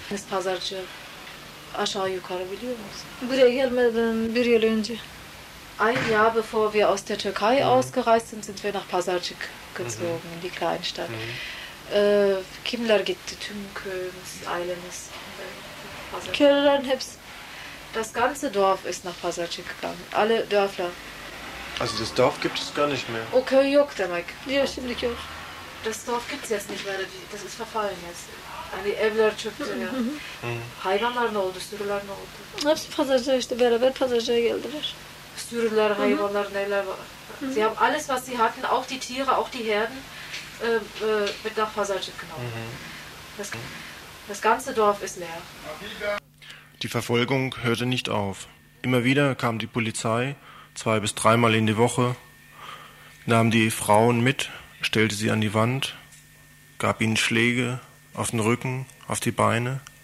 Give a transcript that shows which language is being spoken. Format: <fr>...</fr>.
<tr>Es pazarcı aşağı yukarı biliyor musun? Buraya gelmeden bir yıl önce.</tr> <de>Ein Jahr bevor wir aus der Türkei ausgereist sind, sind wir nach Pasarcik gezogen, in die Kleinstadt.</de> <tr>Kimler gitti, tüm köyümüz, ailemiz. Köylerin hepsi.</tr> <de>Das ganze Dorf ist nach Pasarcik gegangen, alle Dörfler. Also das Dorf gibt es gar nicht mehr.</de> <tr>Okay, yok demek.</tr> <de>Ja, stimmt nicht auch. Das Dorf gibt es jetzt nicht mehr, das ist verfallen jetzt.</de> <tr>Hani evler çöktü ya. Hayvanlar ne oldu, sürüler ne oldu? Hepsi pazarca işte, beraber pazarca geldiler. Sürüler, hayvanlar, neler var.</tr> <de>Sie haben alles, was sie hatten, auch die Tiere, auch die Herden, mit nach Pasarcik genommen. Das ganze Dorf ist leer. Die Verfolgung hörte nicht auf. Immer wieder kam die Polizei, 2 bis 3 Mal in die Woche, nahm die Frauen mit, stellte sie an die Wand, gab ihnen Schläge auf den Rücken, auf die Beine.</de>